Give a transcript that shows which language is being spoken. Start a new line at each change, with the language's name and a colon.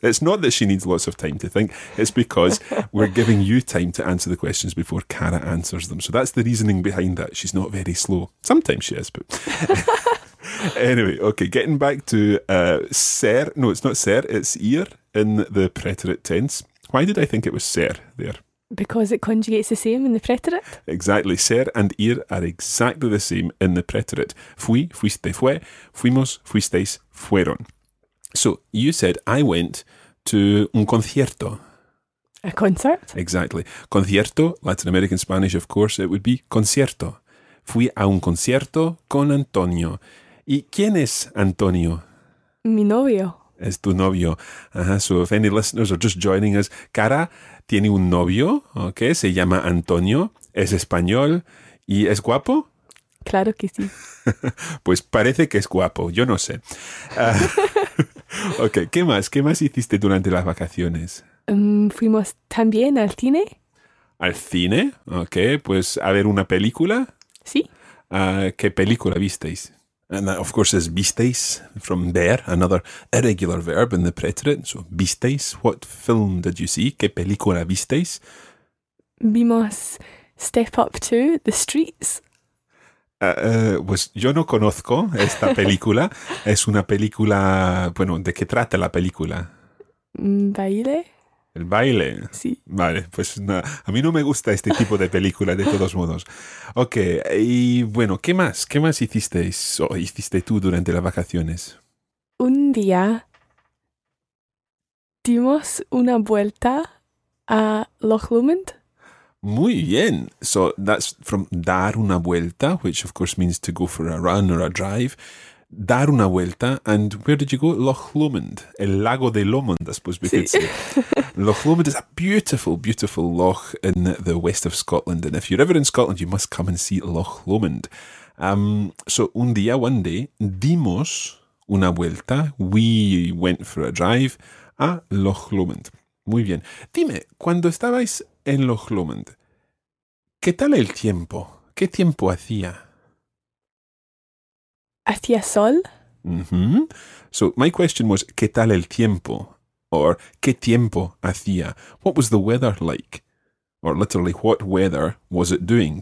English: It's not that she needs lots of time to think. It's because we're giving you time to answer the questions before Cara answers them. So that's the reasoning behind that. She's not very slow. Sometimes she is, but... Anyway, okay, getting back to ser. No, it's not ser, it's ir in the preterite tense. Why did I think it was ser there? Because it conjugates the same in the preterite. Exactly, ser and ir are exactly the same in the preterite.
Spanish: Fui, fuiste, fue, fuimos, fuisteis, fueron.
English: So, you said, I went to
Spanish: un concierto.
English: A concert? Exactly. Concierto, Latin American Spanish, of course, it would be concierto.
Spanish: Fui a un concierto con Antonio. ¿Y quién es Antonio? Mi novio. Es tu novio.
English: So if any listeners are just joining us,
Spanish: Cara tiene un novio, okay, se llama Antonio, es español y es guapo. Claro que sí. Pues parece que es guapo, yo no sé. Okay, ¿qué más? ¿Qué más hiciste durante las vacaciones? Fuimos también al cine. ¿Al cine? Okay, pues a ver una película. Sí. ¿Qué película visteis?
English: And that, of course, is visteis from ver, another irregular verb in the preterite. So, visteis, what film did you see?
Spanish: ¿Qué película visteis? Vimos Step Up 2, The Streets. Pues yo no conozco esta película. Es una película, bueno, ¿de qué trata la película? Baile. El baile. Sí. Vale, pues no, a mí no me gusta este tipo de película, de todos modos. Ok, y bueno, ¿qué más? ¿Qué más hicisteis o hiciste tú durante las vacaciones? Un día dimos una vuelta a Loch Lomond. Muy bien.
English: So that's from
Spanish: dar una vuelta,
English: which of course means to go for a run or a drive.
Spanish: Dar una vuelta.
English: And where did you go? Loch Lomond.
Spanish: El lago de Lomond,
English: I suppose we could say. Loch Lomond is a beautiful, beautiful loch in the west of Scotland. And if you're ever in Scotland, you must come and see Loch Lomond.
Spanish: So un día,
English: one day,
Spanish: dimos una vuelta.
English: We went for a drive a Loch Lomond.
Spanish: Muy bien. Dime, cuando estabais en Loch Lomond, ¿qué tal el tiempo? ¿Qué tiempo hacía? ¿Hacía sol? Mm-hmm.
English: So my question was,
Spanish: ¿qué tal el tiempo? Or, ¿qué tiempo hacía?
English: What was the weather like? Or literally, what weather was it doing?